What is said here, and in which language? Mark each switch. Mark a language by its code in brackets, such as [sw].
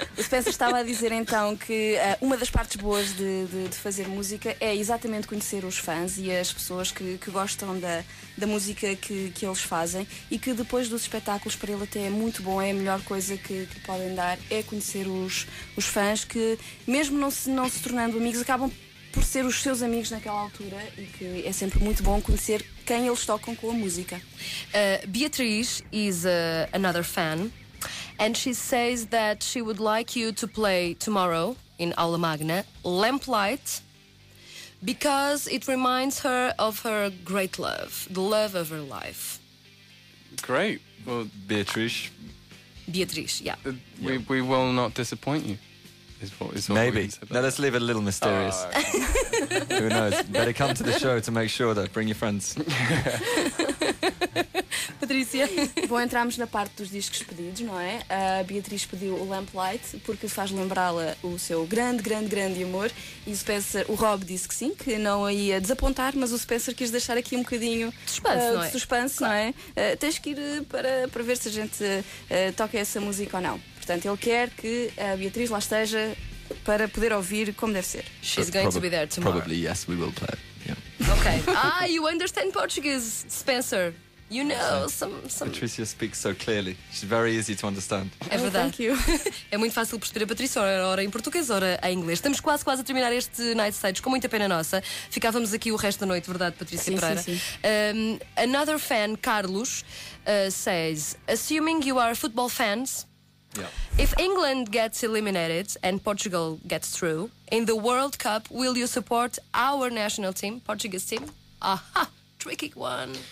[pt] O Spencer estava a dizer então que uma das partes boas de fazer música é exatamente conhecer os fãs e as pessoas que gostam da música que eles fazem, e que depois dos espetáculos para ele até é muito bom, é a melhor coisa que podem dar, é conhecer os fãs, que mesmo não se tornando amigos, acabam por ser os seus amigos naquela altura, e que é sempre muito bom conhecer quem eles tocam com a música. [en] Beatriz is another fan, and she says that she would like you to play tomorrow in Aula Magna Lamplight, because it reminds her of her great love, the love of her life. Great. Well, Beatriz, yeah. We will not disappoint you. Is what maybe. Now let's leave it a little mysterious. Oh, okay. Who knows? Better come to the show to make sure that. Bring your friends. Patrícia. [pt] Bom, entramos na parte dos discos pedidos, não é? A Beatriz pediu o Lamplight porque faz lembrá-la o seu grande, grande, grande amor. E o Spencer, o Rob disse que sim, que não a ia desapontar, mas o Spencer quis deixar aqui um bocadinho de suspense, não é? Tens que ir para ver se a gente toca essa música ou não. Portanto, ele quer que a Beatriz lá esteja para poder ouvir como deve ser. [en] She's going to be there tomorrow. Probably, yes, we will play. Yeah. Okay. Ah, you understand Portuguese, Spencer. You know, some... Patricia speaks so clearly. She's very easy to understand. [pt] É verdade. [en] Thank you. [pt] É muito fácil perceber a Patrícia, ora em português, ora em inglês. Estamos quase a terminar este Night Stage, com muita pena nossa. Ficávamos aqui o resto da noite, verdade, Patrícia Pereira? Sim, sim, sim. [en] Another fan, Carlos, says, assuming you are football fans... Yeah. If England gets eliminated and Portugal gets through in the World Cup, will you support our national team, Portuguese team? Aha! Tricky one.